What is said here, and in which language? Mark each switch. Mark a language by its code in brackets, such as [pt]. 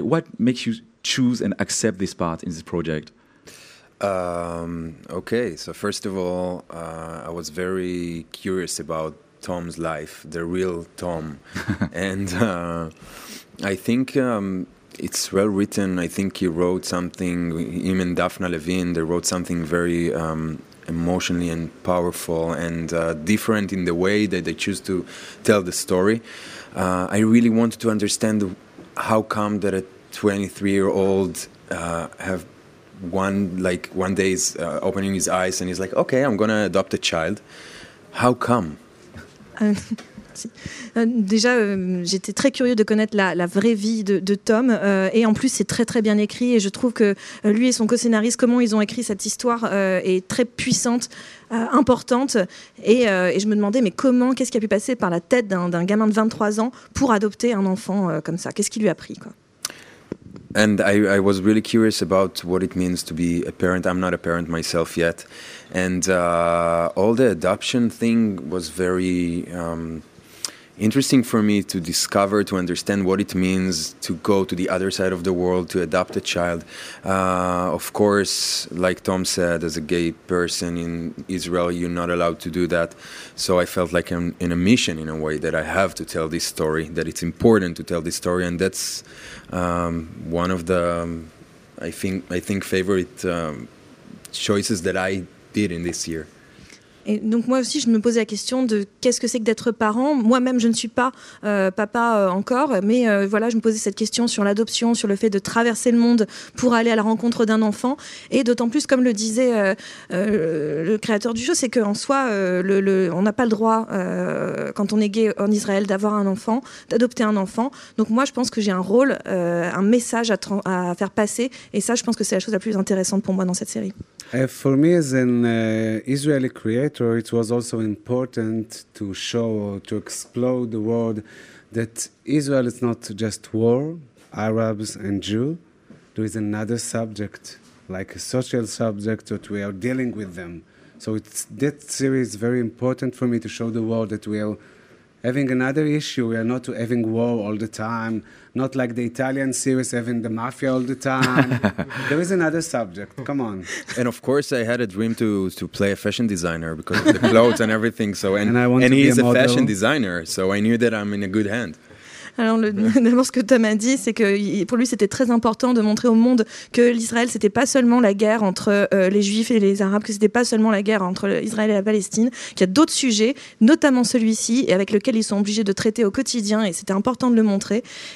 [en] What makes you choose and accept this part in this project? Okay, so first of all, I was very curious about Tom's life, the real Tom. And I think it's well written. I think he wrote something, him and Daphna Levine, they wrote something very... emotionally and powerful and different in the way that they choose to tell the story. I really wanted to understand how come that a 23-year-old have one day is opening his eyes and he's like, okay, I'm gonna adopt a child. How come? [fr] Déjà, j'étais très curieux de connaître la vraie vie de Tom. Et en plus, c'est très très bien écrit. Et je trouve que lui et son co-scénariste, comment ils ont écrit cette histoire, est très puissante, importante. Et je me demandais, mais comment, qu'est-ce qui a pu passer par la tête d'un gamin de 23 ans pour adopter un enfant comme ça? Qu'est-ce qui lui a pris, quoi? [en] And I was really curious about what it means to be a parent. I'm not a parent myself yet. And all the adoption thing was very interesting for me to discover, to understand what it means to go to the other side of the world, to adopt a child. Of course, like Tom said, as a gay person in Israel, you're not allowed to do that. So I felt like I'm in a mission in a way that I have to tell this story, that it's important to tell this story. And that's one of the, I think favorite choices that I did in this year. [fr] Et donc moi aussi, je me posais la question de qu'est-ce que c'est que d'être parent. Moi-même, je ne suis pas papa encore, mais voilà, je me posais cette question sur l'adoption, sur le fait de traverser le monde pour aller à la rencontre d'un enfant. Et d'autant plus, comme le disait le créateur du jeu, c'est qu'en soi, on n'a pas le droit, quand on est gay en Israël, d'avoir un enfant, d'adopter un enfant. Donc moi, je pense que j'ai un rôle, un message à faire passer. Et ça, je pense que c'est la chose la plus intéressante pour moi dans cette série. [en] For me, as an Israeli creator, it was also important to show, to explore the world that Israel is not just war, Arabs and Jews. There is another subject, like a social subject that we are dealing with them. So that series is very important for me to show the world that we are having another issue. We are not having war all the time. Not like the Italian series having the mafia all the time. There is another subject. Come on. And of course, I had a dream to play a fashion designer because of the clothes and everything. So and he is a fashion designer. So I knew that I'm in a good hand. [fr] Alors, d'abord, ce que Tom a dit, c'est que pour lui, c'était très important de montrer au monde que l'Israël, c'était pas seulement la guerre entre les Juifs et les Arabes, que c'était pas seulement la guerre entre Israël et la Palestine, qu'il y a d'autres sujets, notamment celui-ci, et avec lequel ils sont obligés de traiter au quotidien, et c'était important de le montrer.